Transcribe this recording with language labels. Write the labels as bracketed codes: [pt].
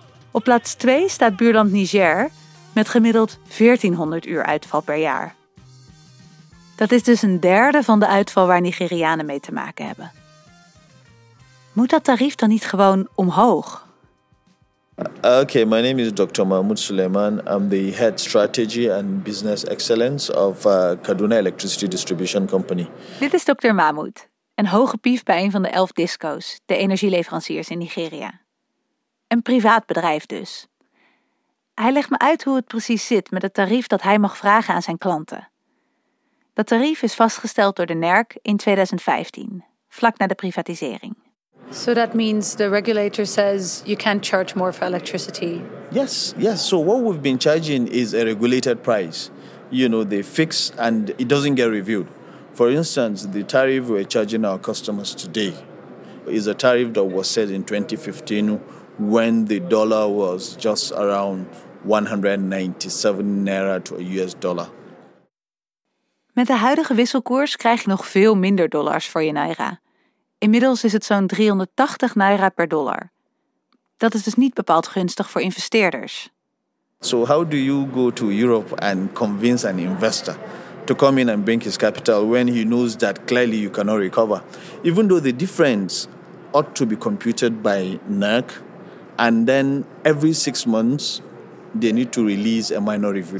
[nl] Op plaats 2 staat buurland Niger met gemiddeld 1400 uur uitval per jaar. Dat is dus een derde van de uitval waar Nigerianen mee te maken hebben. Moet dat tarief dan niet gewoon omhoog? [en] Okay, my name is Dr. Mahmoud Suleiman. I'm the head strategy and business excellence of Kaduna Electricity Distribution Company. [nl] Dit is Dr. Mahmoud, een hoge pief bij een van de 11 disco's, de energieleveranciers in Nigeria. Een privaat bedrijf dus. Hij legt me uit hoe het precies zit met het tarief dat hij mag vragen aan zijn klanten. Dat tarief is vastgesteld door de NERC in 2015, vlak na de privatisering. [en] So that means the regulator says you can't charge more for electricity. Yes, yes. So what we've been charging is a regulated price. You know, they fix and it doesn't get reviewed. For instance, the tariff we're charging our customers today is a tariff that was set in 2015 when the dollar was just around 197 naira to a US dollar. [nl] Met de huidige wisselkoers krijg je nog veel minder dollars voor je naira. Inmiddels is het zo'n 380 naira per dollar. Dat is dus niet bepaald gunstig voor investeerders. [en] So how do you go to Europe and convince an investor to come in and bring his capital when he knows that clearly you cannot recover? Even though the difference ought to be computed by NERC, and then every 6 months they need to release a minor review.